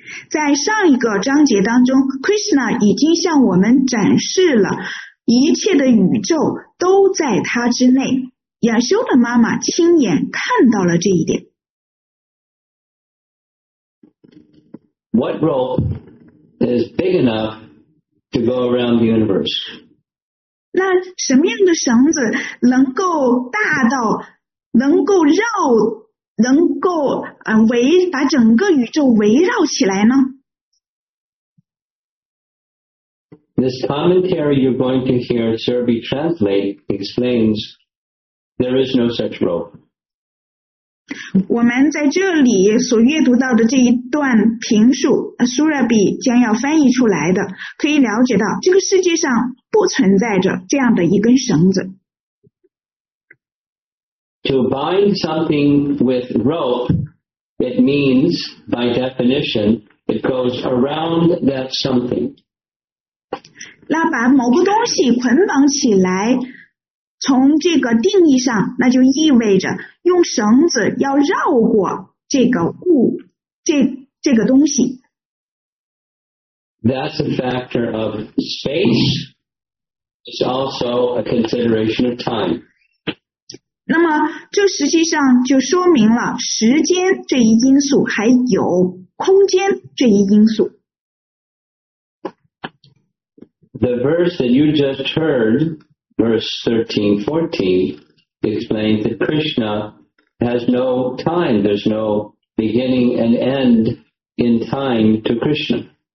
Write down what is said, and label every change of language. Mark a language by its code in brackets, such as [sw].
[zh] 在上一个章节当中 Krishna 已经向我们展示了一切的宇宙都在他之内， Yashoda 妈妈亲眼看到了这一点。 [en] What rope is big enough to go around the universe? [zh] 那什么样的绳子能够大到能够绕能够把整个宇宙围绕起来呢？ [en] This commentary you're going to hear Surabhi translate explains there is no such rope. [zh] 我们在这里所阅读到的这一段评述 Surabhi 将要翻译出来的，可以了解到这个世界上不存在着这样的一根绳子。 [en] To bind something with rope It means, by definition, it goes around that something. [zh] 那把某个东西捆绑起来，从这个定义上，那就意味着用绳子要绕过这个物，这个东西。 [en] That's a factor of space. It's also a consideration of time. [zh] 那么这实际上就说明了时间这一因素，还有空间这一因素。 [en] The verse that you just heard, verse 13-14, explains that Krishna has no time. There's no beginning and end in time to Krishna.